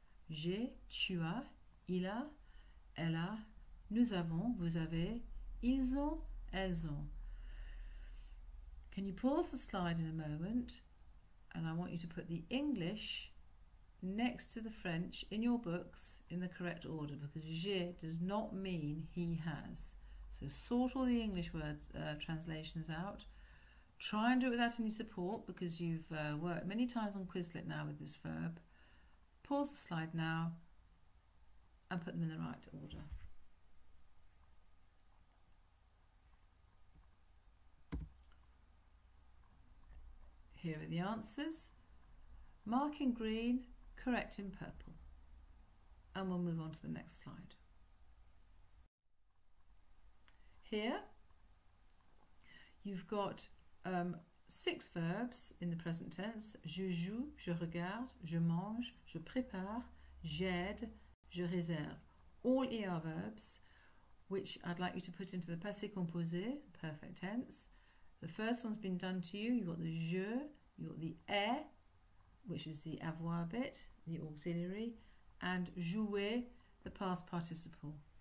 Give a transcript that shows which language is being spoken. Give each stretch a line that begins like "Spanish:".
French: J'ai, tu as, il a, elle a, nous avons, vous avez, ils ont, elles ont.
English: Can you pause the slide in a moment? And I want you to put the English next to the French in your books in the correct order, because j'ai does not mean he has. So sort all the English words, translations out. Try and do it without any support, because you've worked many times on Quizlet now with this verb. Pause the slide now and put them in the right order. Here are the answers. Mark in green, correct in purple. And we'll move on to the next slide. Here, you've got six verbs in the present tense.
French: Je joue, je regarde, je mange, je prépare, j'aide, je réserve.
English: All ER verbs, which I'd like you to put into the passé composé, perfect tense. The first one's been done to you. You've got the je, you've got the est, which is the avoir bit, the auxiliary, and jouer, the past participle.